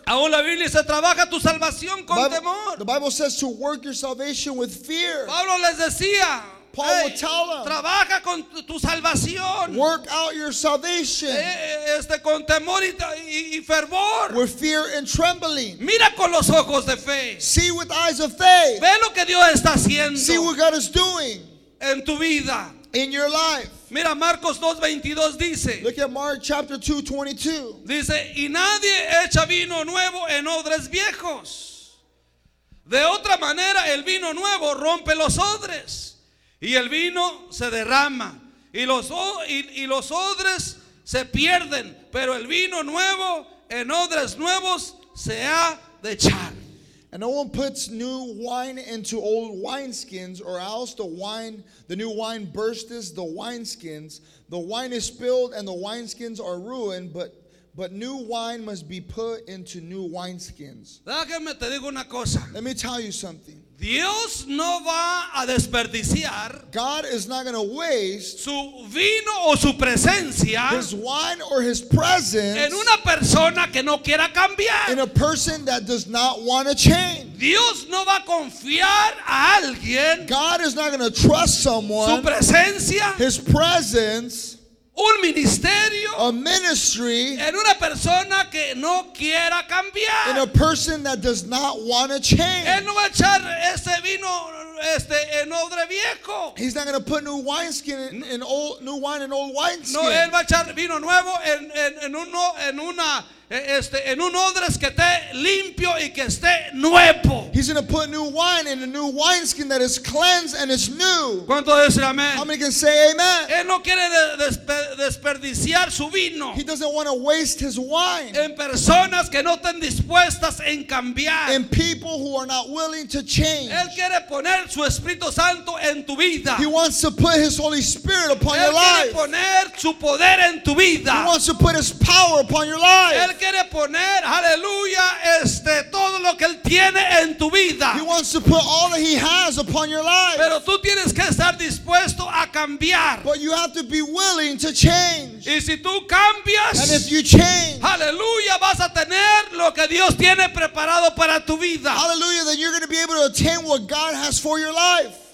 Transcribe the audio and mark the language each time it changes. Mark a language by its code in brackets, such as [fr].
[es] Aún la Biblia dice trabaja tu salvación con temor. [en] The Bible says to work your salvation with fear. [es] Pablo les decía. [en] Paul will tell them. [es] Trabaja con tu salvación. [en] Work out your salvation. [es] Con temor y fervor. [en] With fear and trembling. [es] Mira con los ojos de fe. [en] See with eyes of faith. [es] Ve lo que Dios está haciendo. [en] See what God is doing. [es] En tu vida. [en] In your life. [es] Mira Marcos 2:22 dice. [en] Look at Mark chapter 2:22. [es] Dice, y nadie echa vino nuevo en odres viejos. De otra manera el vino nuevo rompe los odres y el vino se derrama y los odres se pierden, pero el vino nuevo en odres nuevos se ha de echar. [en] And no one puts new wine into old wineskins, or else the new wine bursts the wineskins. The wine is spilled and the wineskins are ruined, but new wine must be put into new wineskins. [es] Déjame te digo una cosa. [en] Let me tell you something. [es] Dios no va a desperdiciar. [en] God is not going to waste [es] su vino o su presencia. [en] His wine or his presence. [es] En una persona que no quiera cambiar. [en] In a person that does not want to change. [es] Dios no va a confiar a alguien. [en] God is not going to trust someone. [es] Su presencia. [en] His presence. [es] Un ministerio. [en] A ministry. [es] En una persona que no quiera cambiar. [en] In a person that does not want to change. [es] Él no va a echar ese vino en odre viejo. [en] He's not going to put new wineskin in old new wine in old wineskin. [es] No, él va a echar vino nuevo en un odre que esté limpio y y que esté nuevo. [en] He's going to put new wine in a new wineskin that is cleansed and is new. [es] ¿Cuánto dice amén? [en] How many can say amen? [es] Él no quiere desperdiciar su vino. [en] He doesn't want to waste his wine. [es] En personas que no están dispuestas en cambiar. [en] In people who are not willing to change. [es] Él quiere poner su Espíritu Santo en tu vida. [en] He wants to put his Holy Spirit upon [es] Él quiere [en] life. [es] Poner su poder en tu vida. [en] He wants to put his power upon your life. [es] Él quiere poner, aleluya, todo lo que él tiene en tu vida. [en] He wants to put all that he has upon your life. [es] Pero tú tienes que estar dispuesto a cambiar. [en] But you have to be willing to change. [es] Y si tú cambias, [en] and if you change, [es] aleluya, vas a tener lo que Dios tiene preparado para tu vida. [en] Hallelujah, then you're going to be able to attain what God has for your life.